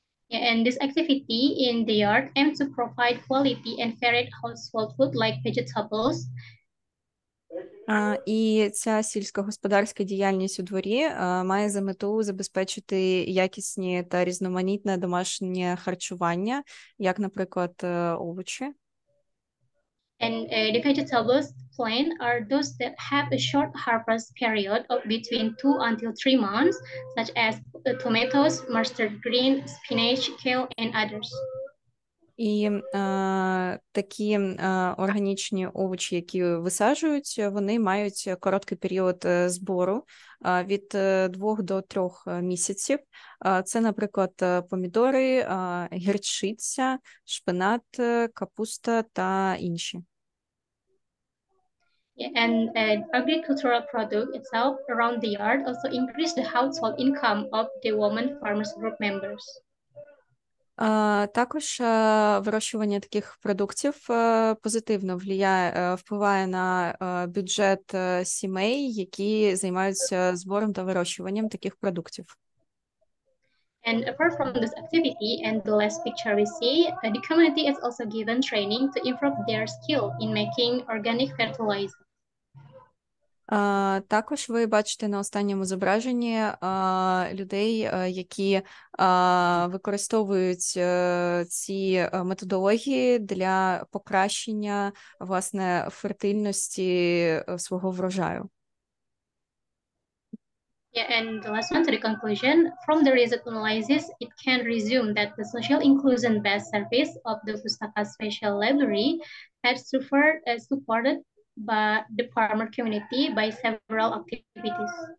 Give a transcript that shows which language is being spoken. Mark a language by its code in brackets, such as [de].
[en] Yeah, and this activity in the yard aims to provide quality and varied household food like vegetables. [uk] І ця сільськогосподарська діяльність у дворі має за мету забезпечити якісні та різноманітне домашнє харчування, як, наприклад, овочі. [en] And the vegetables plant are those that have a short harvest period of between 2 until 3 months, such as tomatoes, mustard green, spinach, kale, and others. [uk] І такі органічні овочі, які висаджують, вони мають короткий період збору від 2 до 3 місяців. Це, наприклад, помідори, гірчиця, шпинат, капуста та інші. [en] Yeah, and agricultural product itself around the yard also increase the household income of the Women Farmers Group members. [uk] Також вирощування таких продуктів позитивно впливає на бюджет сімей, які займаються збором та вирощуванням таких продуктів. [en] And apart from this activity and the last picture we see, the community is also given training to improve their skill in making organic fertilizer. [uk] Також ви бачите на останньому зображенні людей, які використовують ці методології для покращення, власне, фертильності свого врожаю. [en] Yeah, and the last one to the conclusion, from the result analysis, it can resume that the social inclusion based service of the PUSTAKA Special Library has supported by the farmer community by several activities.